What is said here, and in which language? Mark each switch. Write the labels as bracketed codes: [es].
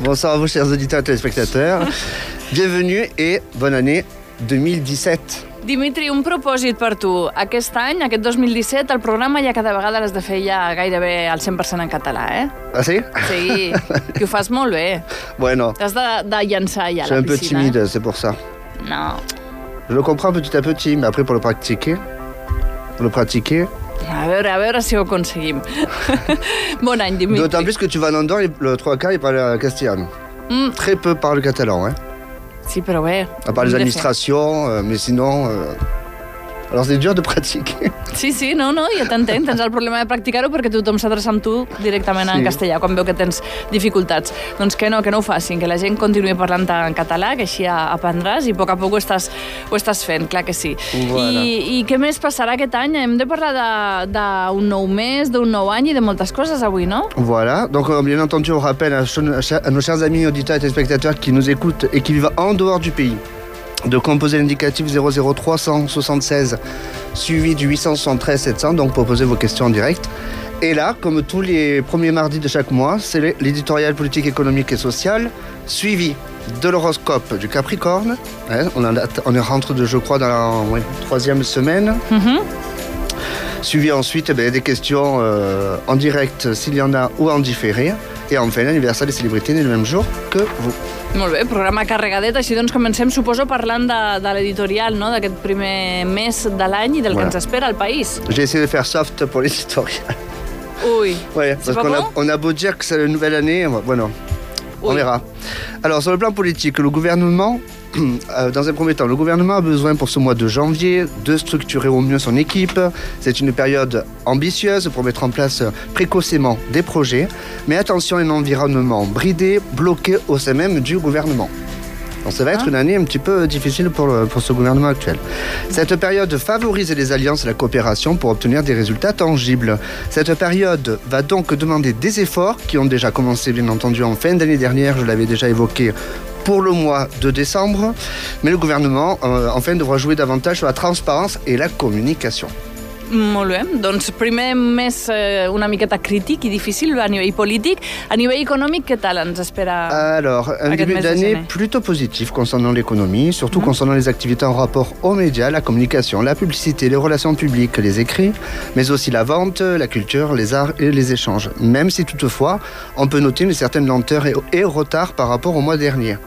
[fr] Bonsoir a vos, chers auditeurs et téléspectateurs. Bienvenue et bonne année 2017. [ca] Dimitri, un propòsit per tu. Aquest any, aquest 2017, el programa ja cada vegada l'has de fer ja gairebé al 100% en català, eh? Ah, sí? Sí, que ho fas molt bé. Bueno. T'has de llançar ja a la piscina. [fr] Soy un peu timide, c'est pour ça. [ca] No. [fr] Je le comprends petit à petit, mais après pour le pratiquer, pour le pratiquer... [ca] a veure si ho aconseguim. Bon any, Dimitri. [fr] D'autant plus que tu vas en Andorre, le 3K, il parle castellan. Mm. Très peu parle catalan, hein? [ca] Sí, però bé. A part les administracions, [fr] mais sinon... Alors, c'est dur de pratiquer. [ca] Sí, sí, no, no, jo t'entenc. Tens el problema de practicar-ho perquè tothom s'adreça amb tu directament en castellà, quan veu que tens dificultats. Doncs que no ho facin, que la gent continuï parlant en català, que així aprendràs, i a poc a poc ho estàs fent, clar que sí. I què més passarà aquest any? Hem de parlar d'un nou mes, d'un nou any i de moltes coses avui, no? [fr] Voilà. Donc, bien entendu, on rappelle à nos chers amis, auditeurs et spectateurs qui nous écoutent et qui vivent en dehors du pays de composer l'indicatif 00376 suivi du 873-700, donc pour poser vos questions en direct. Et là, comme tous les premiers mardis de chaque mois, c'est l'éditorial politique, économique et sociale, suivi de l'horoscope du Capricorne. Ouais, on est rentré, je crois, dans la troisième semaine. Mm-hmm. Suivi ensuite des questions en direct, s'il y en a, ou en différé. Et enfin, l'anniversaire des célébrités est le même jour que vous. [ca] Molt bé, programa carregadet. Així doncs comencem, suposo, parlant de l'editorial, no? D'aquest primer mes de l'any i del que ens espera al país. [fr] J'ai essayé de faire soft pour l'editorial. Ui, ouais, c'est pas bon? On a beau dire que c'est la nouvelle année, bueno, on verra. Alors, sur le plan politique, le gouvernement, dans un premier temps, le gouvernement a besoin pour ce mois de janvier de structurer au mieux son équipe. C'est une période ambitieuse pour mettre en place précocement des projets. Mais attention, un environnement bridé, bloqué au sein même du gouvernement. Donc ça va être une année un petit peu difficile pour ce gouvernement actuel. Cette période favorise les alliances et la coopération pour obtenir des résultats tangibles. Cette période va donc demander des efforts qui ont déjà commencé, bien entendu, en fin d'année dernière, je l'avais déjà évoqué, pour le mois de décembre. Mais le gouvernement, enfin, devra jouer davantage sur la transparence et la communication. [ca] Molt bé. Doncs primer mes una miqueta crític i difícil a nivell polític. A nivell econòmic, què tal ens espera? [fr] Alors, un début d'année plutôt positif concernant l'économie, surtout concernant les activités en rapport aux médias, la communication, la publicité, les relations publiques, les écrits, mais aussi la vente, la culture, les arts et les échanges. Même si toutefois, on peut noter une certaine lenteur et retard par rapport au mois dernier.